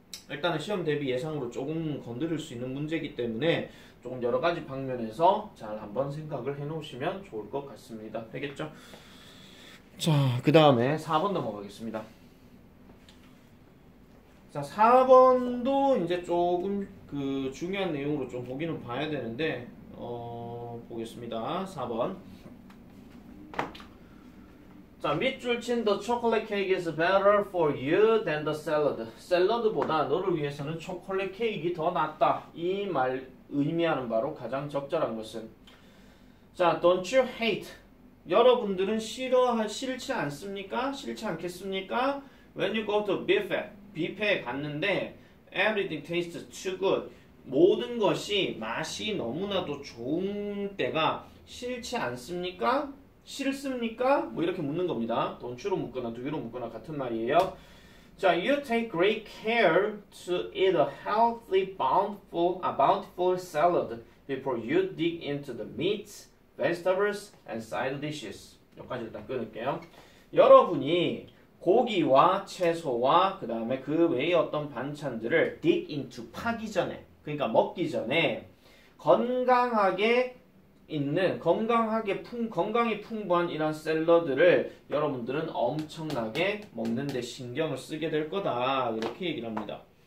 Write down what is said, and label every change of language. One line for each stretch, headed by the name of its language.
Korean: 일단은 시험 대비 예상으로 조금 건드릴 수 있는 문제이기 때문에 조금 여러 가지 방면에서 잘 한번 생각을 해놓으시면 좋을 것 같습니다. 되겠죠? 자, 그 다음에 4번 넘어가겠습니다. 자, 4번도 이제 조금 그 중요한 내용으로 좀 보기는 봐야 되는데, 보겠습니다. 4번.
English: 자, 밑줄 친 the chocolate cake is better for you than the salad.
Korean: 샐러드보다 너를 위해서는 초콜릿 케이크가 더 낫다. 이말 의미하는 바로 가장 적절한 것은.
English: 자, don't you hate?
Korean: 여러분들은 싫지 않습니까? 싫지 않겠습니까?
English: When you go to buffet.
Korean: 뷔페에 갔는데
English: everything tastes too good.
Korean: 모든 것이 맛이 너무나도 좋은 때가 싫지 않습니까? 싫습니까? 뭐 이렇게 묻는 겁니다.
English: Don't you
Korean: 로 묻거나
English: do you
Korean: 로 묻거나 같은 말이에요.
English: 자, you take great care to eat a healthy, bountiful salad before you dig into the meats, vegetables, and side dishes.
Korean: 여기까지 일단 끊을게요. 여러분이 고기와 채소와 그 다음에 그 외의 어떤 반찬들을
English: dig into
Korean: 파기 전에, 그러니까 먹기 전에 건강이 풍부한 이런 샐러드를 여러분들은 엄청나게 먹는 데 신경을 쓰게 될 거다. 이렇게 얘기를 합니다.